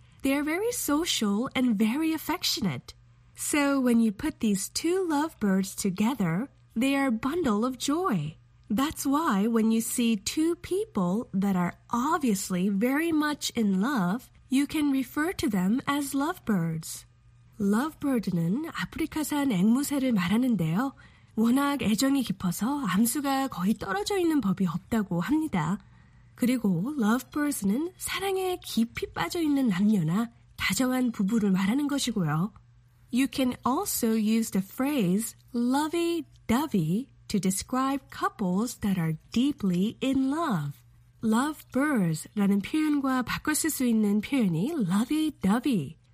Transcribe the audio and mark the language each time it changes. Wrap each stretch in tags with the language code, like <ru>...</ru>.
<en>They are very social and very affectionate. So when you put these two lovebirds together, they are a bundle of joy. That's why when you see two people that are obviously very much in love, you can refer to them as lovebirds.</en> <ko>Lovebird는 아프리카산 앵무새를 말하는데요. 워낙 애정이 깊어서 암수가 거의 떨어져 있는 법이 없다고 합니다. 그리고 lovebirds는 사랑에 깊이 빠져 있는 남녀나 다정한 부부를 말하는 것이고요.</ko> <en>You can also use the phrase lovey-dovey to describe couples that are deeply in love.</en> <ko>Lovebirds라는 표현과 바꿔 쓸 수 있는 표현이 lovey-dovey.</ko>